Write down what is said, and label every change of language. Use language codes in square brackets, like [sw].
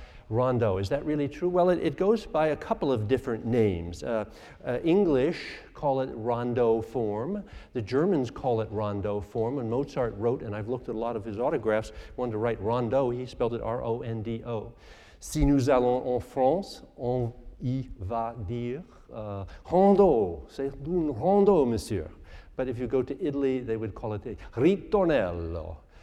[en] Rondo, is that really true? Well, it goes by a couple of different names. English call it rondo form. The Germans call it rondo form. And Mozart wrote, and I've looked at a lot of his autographs, wanted to write rondo, he spelled it R-O-N-D-O. [fr] Si nous allons en France, on y va dire. Rondo, c'est un rondo, monsieur. [en] But if you go to Italy, they would call it a ritornello.